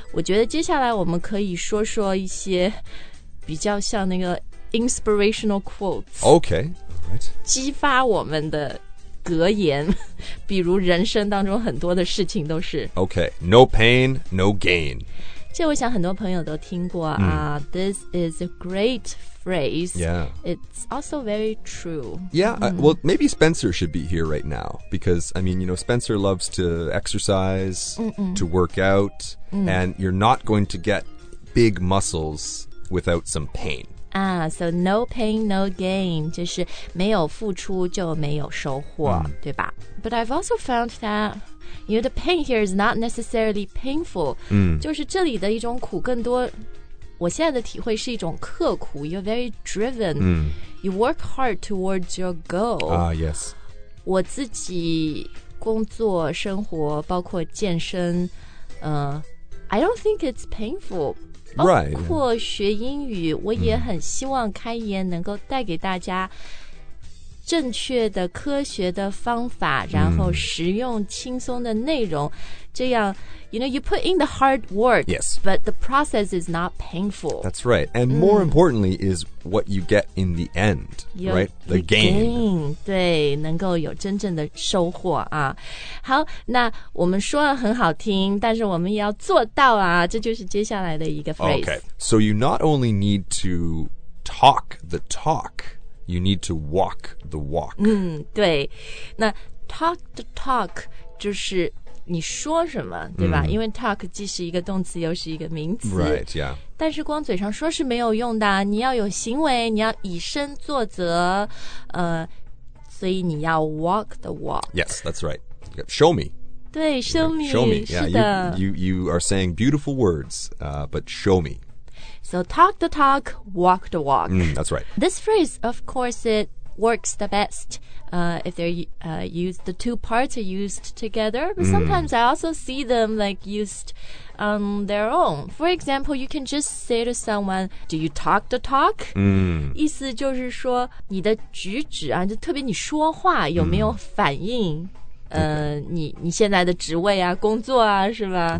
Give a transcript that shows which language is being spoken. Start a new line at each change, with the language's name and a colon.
Chinese: 我觉得接下来我们可以说说一些比较像那个
English: inspirational quotes okay. Right.
Chinese: 激发我们的格言比如人生当中很多的事情都是
English: okay. No pain, no gain
Chinese: 这我想很多朋友都听过啊、
English: This is a great phrase. Yeah. It's also very true. Yeah,、well, maybe Spencer should be here right now. Because, I mean, you know, Spencer loves to exercise,、to work out,、and you're not going to get big muscles without some pain. So no pain, no gain,
Chinese: 就是没有付出就没有收获、对吧
English: But I've also found that, you know, the pain here is not necessarily painful.、
Chinese: 就是这里的一种苦更多我现在的体会是一种刻苦
English: You're very driven.、You work hard towards your goal. Yes.
Chinese: 我自己工作生活包括健身、
English: I don't think it's painful. Right.
Chinese: 包括学英语、我也很希望开言能够带给大家正确的科学的方法、然后实用轻松的内容。这样
English: you know, you put in the hard work, yes. but the process is not painful. That's right. And more importantly is what you get in the end, right? The gain.
Chinese: 对能够有真正的收获啊。好那我们说了很好听但是我们也要做到啊这就是接下来的一个 phrase.
English: Okay, so you not only need to talk the talk, you need to walk the walk.
Chinese: 对那 talk the talk 就是你说什么对吧、因为 talk 既是一个动词又是一个名词
English: Right, yeah
Chinese: 但是光嘴上说是没有用的你要有行为你要以身作则所以你要 walk the walk
English: Yes, that's right Show me
Chinese: 对
English: show me Show me, yeah,
Chinese: 是的
English: you are saying beautiful words, but show me So talk the talk, walk the walk、 That's right This phrase, of course, itworks the best if they're used the two parts are used together but sometimes I also see them like used on their own for example you can just say to someone do you talk the talk
Chinese: 意思就是说你的举止啊就特别你说话有没有反应你现在的职位啊工作啊是吧